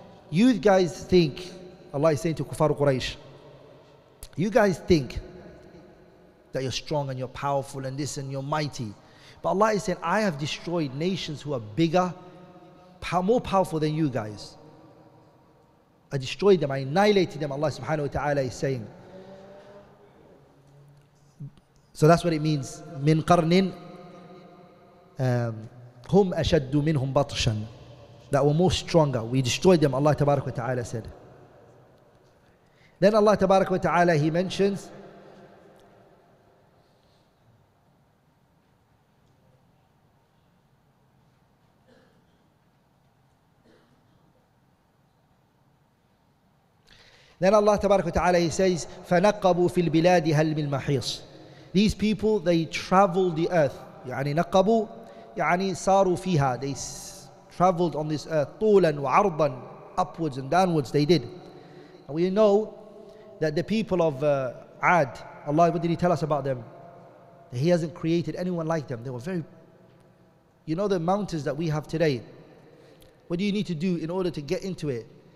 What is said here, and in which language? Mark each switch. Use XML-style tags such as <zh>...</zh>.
<en>You guys think, Allah is saying to Kufar Quraysh, you guys think that you're strong and you're powerful and this and you're mighty. But Allah is saying, I have destroyed nations who are bigger, more powerful than you guys. I destroyed them, I annihilated them, Allah subhanahu wa ta'ala is saying. So that's what it means.</en> <ar>مِنْ قَرْنٍ هُمْ أَشَدُّ مِنْهُمْ بَطْشًا,</ar> <en>that were more stronger. We destroyed them, Allah tabarak wa ta'ala said. Then Allah tabarak wa ta'ala, He mentions, then Allah tabarak wa ta'ala, He says,</en> <ar>فَنَقَّبُوا فِي الْبِلَادِ هَلْ مِنْ مَحِيصٍ.</ar> <en>These people, they travel the earth.</en> <ar>يعني نقبوا, يعني صاروا فيها.</ar> <en>They traveled on this earth,</en> <ar>طولاً وعرضاً,</ar> <en>upwards and downwards, they did. And we know that the people of Ad, Allah, what did He tell us about them? That He hasn't created anyone like them. They were very, you know, the mountains that we have today, what do you need to do in order to get into it?</en>